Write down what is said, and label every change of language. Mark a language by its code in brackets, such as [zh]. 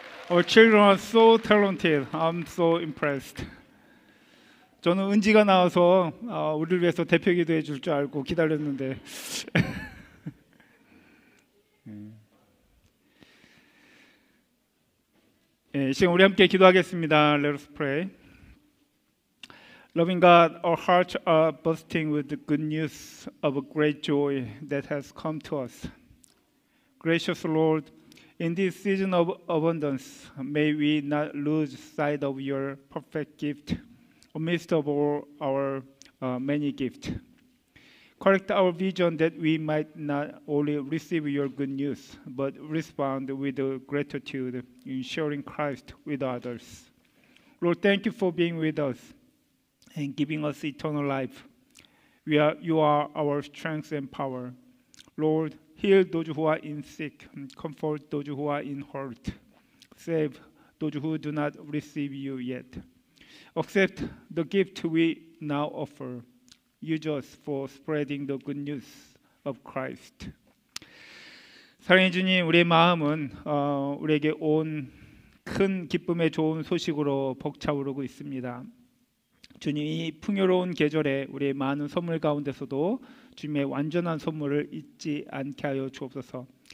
[en] Our children are so talented. I'm so impressed. [ko] 저는 은지가 나와서 우리를 위해서 대표 기도해 줄 줄 알고 기다렸는데 예, 지금 우리 함께 기도하겠습니다. [en] Let us pray. Loving God, our hearts are bursting with the good news of a great joy that has come to us. Gracious Lord, in this season of abundance, may we not lose sight of your perfect gift amidst of all our many gifts. Correct our vision that we might not only receive your good news, but respond with gratitude in sharing Christ with others. Lord, thank you for being with us and giving us eternal life. You are our strength and power. Lord, heal those who are in sick, comfort those who are in hurt. Save those who do not receive you yet. Accept the gift we now offer. Use us for spreading the good news of Christ. [ko] 사랑해 주님, 우리의 마음은 우리에게 온 큰 기쁨의 좋은 소식으로 벅차오르고 있습니다. 주님, 이 풍요로운 계절에 우리의 많은 선물 가운데서도 주님의 완전한 선물을 잊지 않게 하여 주옵소서.